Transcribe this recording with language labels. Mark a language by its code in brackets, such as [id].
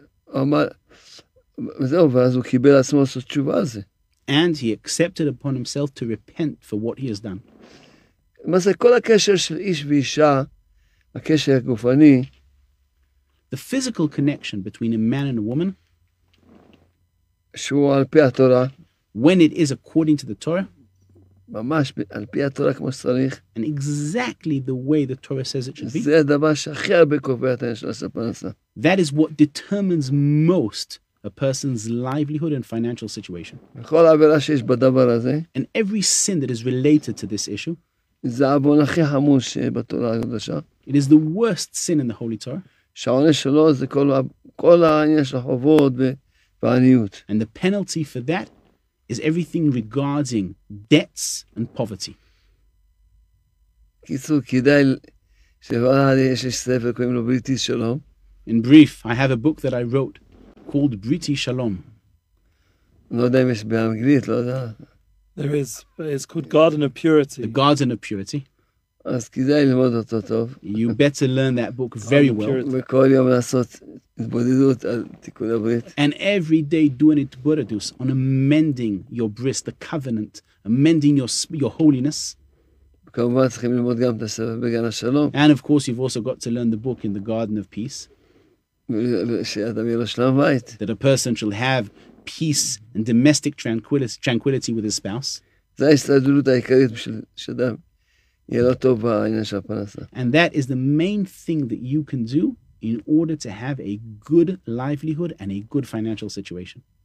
[he] אז הוא קיבל עצמו לעשות תשובה על זה. [en] And he accepted upon himself to repent for what he has done. [he] מה זה כל הקשר של איש ואישה, הקשר הגופני, [en] the physical connection between a man and a woman, [he] שהוא על פי התורה, [en] when it is according to the Torah, [he] ממש על פי התורה כמו שצריך, [en] and exactly the way the Torah says it should be, [he] זה הדבר שהכי הרבה קובע את העניין של הפרנסה. [en] That is what determines most a person's livelihood and financial situation. [he] בכל עבירה שיש בדבר הזה, [en] and every sin that is related to this issue, [he] זה העוון הכי חמור שבתורה הקדושה. [en] It is the worst sin in the Holy Torah. [he] שהעונש שלו זה כל העניין של החובות והעניות. [en] And the penalty for that is everything regarding debts and poverty. [he] קיצור, כדאי שברא לי, יש ספר קוראים לו בריתי שלום. [en] In brief, I have a book that I wrote called בריתי שלום. [he] לא יודע אם יש באנגלית, לא יודע. [en] There is, it's called Garden of Purity. The Garden of Purity. [he] אז כדאי ללמוד אותו טוב. [en] You better learn that book very well. [he] וכל יום לעשות התבודדות על תיקון הברית. [en] And every day do an התבודדות on amending your bris, the covenant, amending your holiness. [he] כמובן צריכים ללמוד גם את הספר בגן השלום. [en] And of course you've also got to learn the book in the Garden of Peace. [he] שאדם יהיה לו שלום בית. [en] That a person shall have peace and domestic tranquility with his spouse. And that is the main thing that you can do in order to have a good livelihood and a good financial situation.